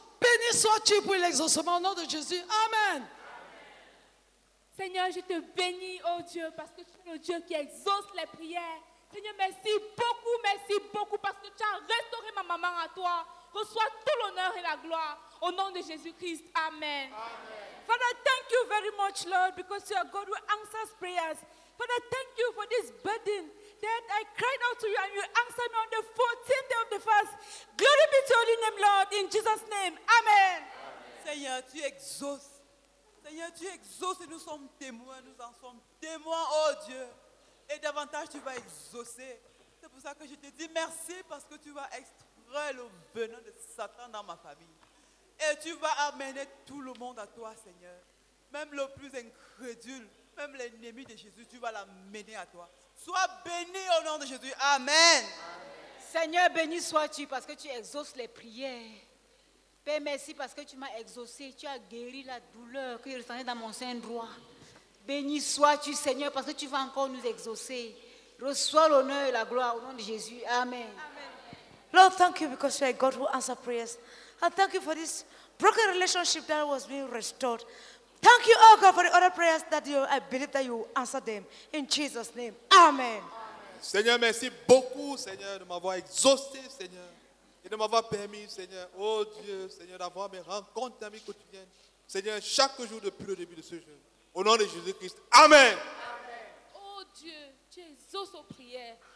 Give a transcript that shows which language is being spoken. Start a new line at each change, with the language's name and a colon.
French: Béni sois-tu pour l'exaucement au nom de Jésus. Amen. Seigneur, je te bénis, oh Dieu, parce que tu es le Dieu qui exauce les prières. Seigneur, merci beaucoup, parce que tu as restauré ma maman à toi. Reçois tout l'honneur et la gloire au nom de Jésus-Christ. Amen. Amen.
English: Father, thank you very much, Lord, because you are God who answers prayers. Father, thank you for this burden that I cried out to you and you answered me on the 14th day of the fast. Glory be to your holy name, Lord, in Jesus' name. Amen. Amen.
French: Seigneur, tu exauces. Seigneur, tu exauces et nous sommes témoins. Nous en sommes témoins, oh Dieu. Et davantage, tu vas exaucer. C'est pour ça que je te dis merci parce que tu vas extraire le venin de Satan dans ma famille. Et tu vas amener tout le monde à toi, Seigneur. Même le plus incrédule, même l'ennemi de Jésus, tu vas l'amener à toi. Sois béni au nom de Jésus. Amen. Amen. Seigneur, béni sois-tu parce que tu exauces les prières. Père, merci parce que tu m'as exaucé. Tu as guéri la douleur que je ressentais dans mon sein droit. Béni sois-tu, Seigneur, parce que tu vas encore nous exaucer. Reçois l'honneur et la gloire au nom de Jésus. Amen. Amen.
English: Lord, thank you because you are God who answers prayers. And thank you for this broken relationship that was being restored. Thank you, oh God, for the other prayers that I believe that you will answer them. In Jesus' name. Amen.
French: Seigneur, merci beaucoup, Seigneur, de m'avoir exaucé, Seigneur. Et de m'avoir permis, Seigneur, oh Dieu, Seigneur, d'avoir mes rencontres amies quotidiennes. Seigneur, chaque jour depuis le début de ce jour. Au nom de Jésus-Christ. Amen. Amen. Oh Dieu, tu exauces aux prières.